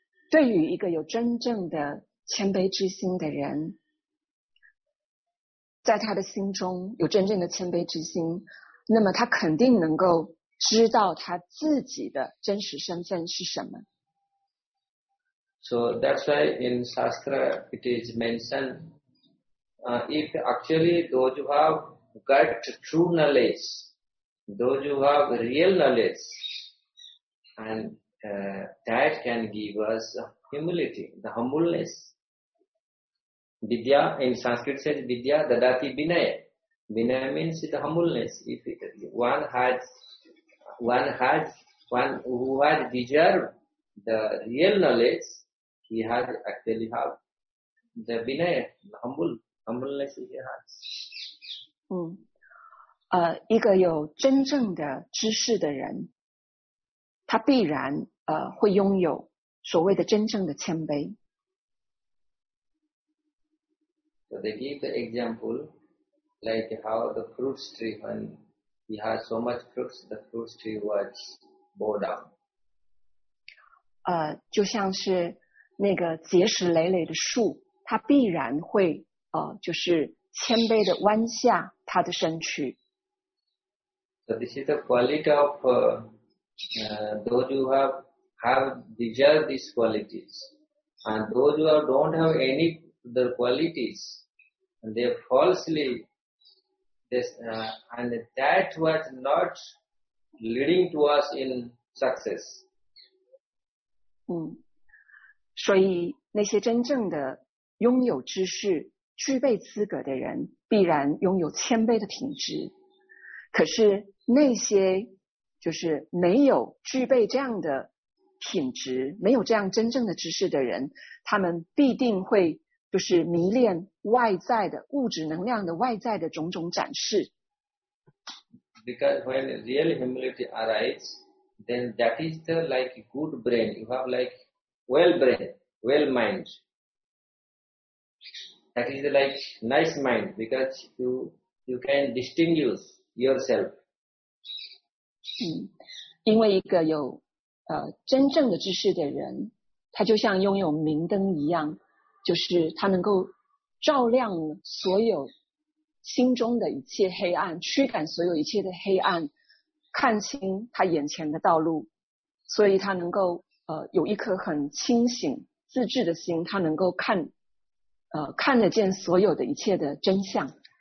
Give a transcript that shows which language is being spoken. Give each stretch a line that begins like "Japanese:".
Chinese: 对于一个有真正的谦卑之心的人，在他的心中有真正的谦卑之心，那么他肯定能够知道他自己的真实身份是什么。
English: So that's why in Shastra it is mentioned, if actually those who have got true knowledge, those who have real knowledge, and that can give us humility, the humbleness. Vidya, in Sanskrit says
Sanskrit: Vidya, Dadati Vinaya.
English: Vinaya means the humbleness. If one who has deserved the real knowledge, he has actually have the Vinaya, humbleness he has.
Chinese: 一个有真正的知识的人，他必然会拥有所谓的真正的谦卑。
English: So they give the example like how the fruit tree, when he has so much fruits, the fruit tree was bowed down.
Chinese: 就像是那个结实累累的树，它必然会就是谦卑的弯下它的身躯。
English: So this is the quality of those who have deserved these qualities, and those who don't have any the qualities. And they falsely, and that was not leading to us in success.
Chinese: 所以那些真正的拥有知识、具备资格的人，必然拥有谦卑的品质。可是那些就是没有具备这样的品质、没有这样真正的知识的人，他们必定会就是迷恋外在的物质能量的外在的种种展示。
English: Because when real humility arises, then that is the like good brain. You have like well brain, well mind. That is the like nice mind because you can distinguish yourself.
Chinese: 嗯，因为一个有真正的知识的人，他就像拥有明灯一样，就是他能够照亮所有心中的一切黑暗，驱赶所有一切的黑暗，看清他眼前的道路，所以他能够有一颗很清醒自制的心，他能够看得见所有的一切的真相。